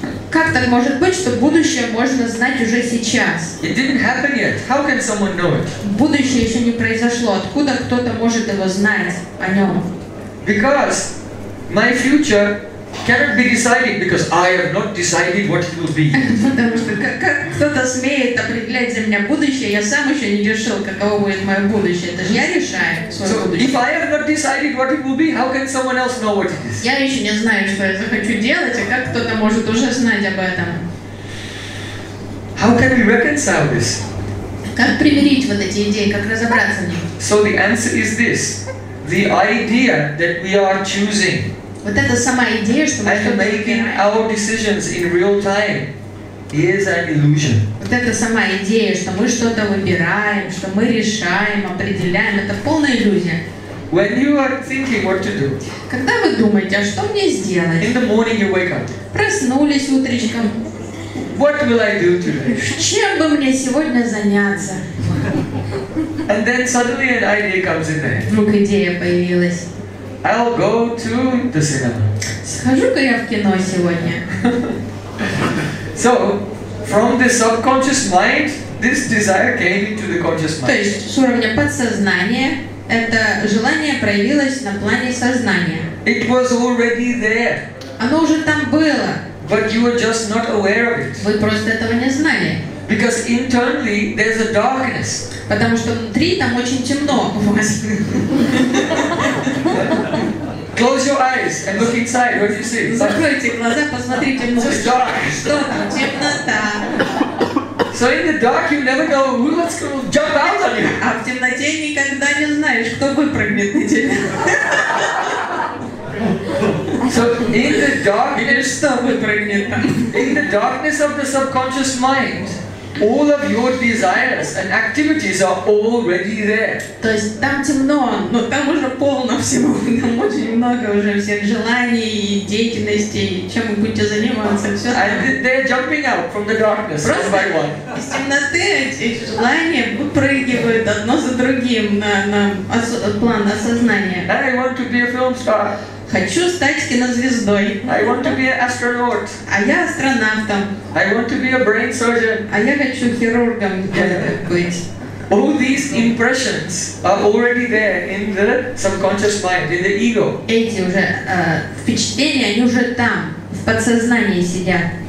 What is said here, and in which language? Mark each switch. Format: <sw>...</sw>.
<ru>Как так может быть, что будущее можно знать уже сейчас?</ru> <en>It didn't happen yet. How can someone know it?</en> <ru>Будущее еще не произошло. Откуда кто-то может его знать о нем?</ru> <en>Because my future cannot be decided because I have not decided what it will be.</en> <ru>Потому что как кто-то смеет определять за меня будущее, я сам еще не решил, каково будет мое будущее. Это же я решаю свое будущее.</ru> <en>So if I have not decided what it will be, how can someone else know what it is?</en> <ru>Я еще не знаю, что я захочу делать, а как кто-то может уже знать об этом?</ru> <en>How can we reconcile this?</en> <ru>Как примирить вот эти идеи, как разобраться в них?</ru> <en>So the answer is this. The idea that we are choosing.</en> <ru>Вот это сама идея, что мы что-то выбираем.</ru> <en>And making our decisions in real time is an illusion.</en> <ru>Вот это сама идея, что мы что-то выбираем, что мы решаем, определяем, это полная иллюзия.</ru> <en>When you are thinking what to do.</en> <ru>Когда вы думаете, а что мне сделать?</ru> <en>In the morning you wake up.</en> <ru>Проснулись утречком.</ru> <en>What will I do today?</en> <ru>Чем бы мне сегодня заняться?</ru> <en>And then suddenly an idea comes in there.</en> <ru>Вдруг идея появилась.</ru> <en>I'll go to the cinema.</en> <ru>Схожу-ка я в кино сегодня.</ru> <en>So, from the subconscious mind, this desire came into the conscious mind.</en> <ru>То есть с уровня подсознания это желание проявилось на плане сознания.</ru> <en>It was already there.</en> <ru>Оно уже там было.</ru> <en>But you were just not aware of it.</en> <ru>Вы просто этого не знали.</ru> <en>Because internally there's a darkness.</en> <ru>Потому что внутри там очень темно у вас.</ru> <en>Close your eyes and look inside. What do you see?</en> <ru>Закройте глаза, посмотрите внутрь.</ru> <en>It's dark.</en> <ru>Что там? Темнота.</ru> <en>So in the dark you never know who will jump out on you.</en> <ru>А в темноте никогда не знаешь, кто выпрыгнет на тебя.</ru> <en>So in the darkness,</en> <ru>что выпрыгнет?</ru> <en>In the darkness of the subconscious mind, all of your desires and activities are already there.</en> <ru>То есть там темно, но там уже полно всего, там очень много уже всех желаний, деятельности, чем вы будете заниматься, все.</ru> <en>And they're jumping out from the darkness one by one.</en> <ru>Из темноты эти желания выпрыгивают одно за другим на план осознания.</ru> <en>I want to be a film star.</en> <ru>Хочу стать кинозвездой.</ru> <en>I want to be an astronaut.</en> <ru>А я астронавтом.</ru> <en>I want to be a brain surgeon.</en> <ru>А я хочу хирургом быть.</ru> <en>All these impressions are already there in the subconscious mind, in the ego.</en> <ru>Эти уже впечатления, они уже там, в подсознании сидят.</ru>